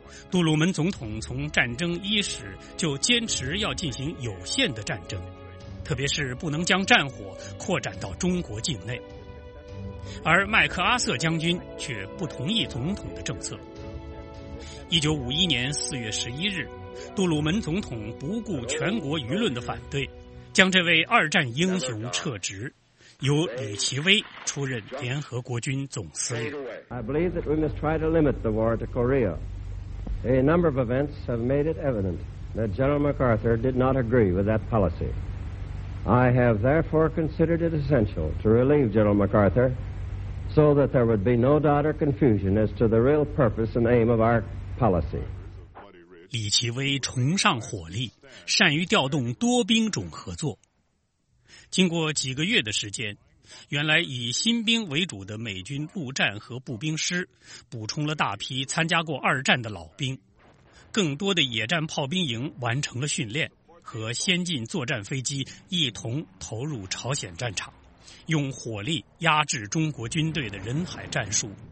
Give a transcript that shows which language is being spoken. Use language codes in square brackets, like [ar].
[zh] 杜鲁门总统从战争伊始就坚持要进行有限的战争，特别是不能将战火扩展到中国境内，而麦克阿瑟将军却不同意总统的政策。 1951年4月11日，杜鲁门总统不顾全国舆论的反对，将这位二战英雄撤职，由李奇微出任联合国军总司令。 [en] I believe that we must try to limit the war to Korea. A number of events have made it evident that General MacArthur did not agree with that policy. I have therefore considered it essential to relieve General MacArthur so that there would be no doubt or confusion as to the real purpose and aim of our policy. [zh] 李奇微崇尚火力，善于调动多兵种合作。经过几个月的时间，原来以新兵为主的美军陆战和步兵师补充了大批参加过二战的老兵，更多的野战炮兵营完成了训练，和先进作战飞机一同投入朝鲜战场，用火力压制中国军队的人海战术。